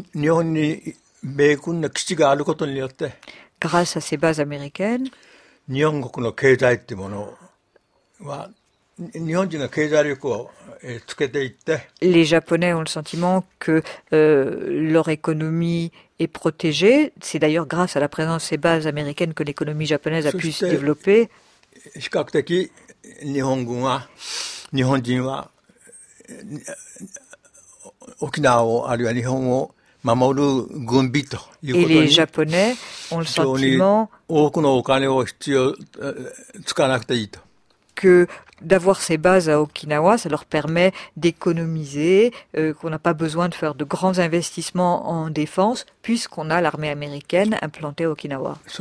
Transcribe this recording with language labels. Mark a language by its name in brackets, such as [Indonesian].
[French] Grâce à ces bases américaines, les Japonais ont le sentiment que leur économie est protégée. C'est d'ailleurs grâce à la présence de ces bases américaines que l'économie japonaise a pu se développer. [Japanese] 比較的日本軍は日本人は沖縄をあるいは日本を守る軍備ということに非常に多くのお金を必要使わなくていいと。 [French] D'avoir ces bases à Okinawa, ça leur permet d'économiser, qu'on n'a pas besoin de faire de grands investissements en défense, puisqu'on a l'armée américaine implantée à Okinawa.